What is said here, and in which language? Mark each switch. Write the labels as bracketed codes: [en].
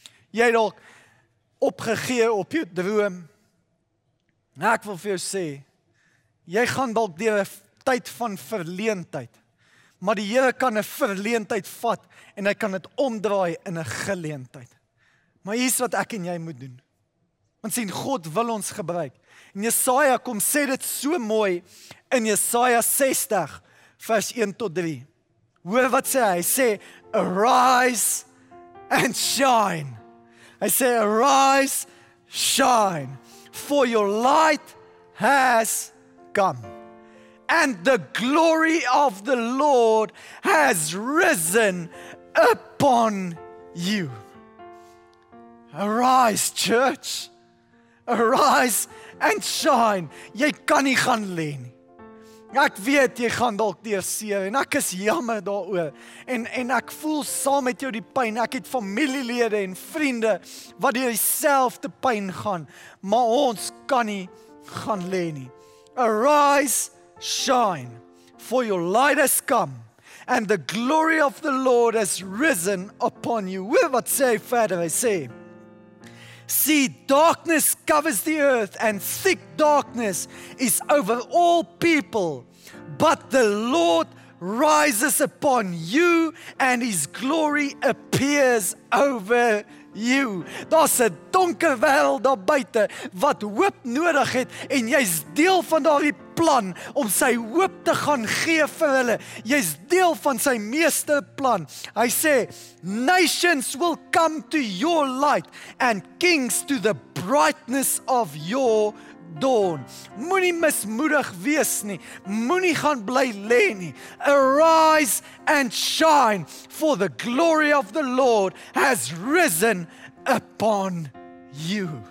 [af] Jy het dalk opgegee op jou droom. Nou ek wil vir jou sê, jy gaan dalk deur 'n tyd van verleentheid. Maar die Here kan 'n verleentheid vat en hy kan dit omdraai in 'n geleentheid. Maar hier is wat ek en jy moet doen. Want sien, God wil ons gebruik. En Jesaja kom sê dit so mooi in Jesaja 60 vers 1 tot 3. Hoor wat sê hy? Hy sê, [en] arise and shine. [af] Hy sê, [en] arise, shine, for your light has come. And the glory of the Lord has risen upon you. Arise, church. Arise and shine. [af] Jy kan nie gaan lê nie. Ek weet, jy gaan dalk deur seer en ek is jammer daaroor. En ek voel saam met jou die pyn. Ek het familielede en vriende wat deur dieselfde pyn gaan. Maar ons kan nie gaan lê nie. [en] Arise, shine, for your light has come, and the glory of the Lord has risen upon you. [af] Hoor wat sê hy verder, hy sê, [en] see, darkness covers the earth, and thick darkness is over all people, but the Lord rises upon you, and his glory appears over you. [af] Daar's 'n donker wêreld daar buite wat hoop nodig het, en jy's deel van daardie plan om sy hoop te gaan gee vir hulle. Jy's deel van sy meesterplan. Hy sê, [en] nations will come to your light and kings to the brightness of your dawn. [af] Moenie mismoedig wees nie. Moenie gaan bly lê nie. [en] Arise and shine, for the glory of the Lord has risen upon you.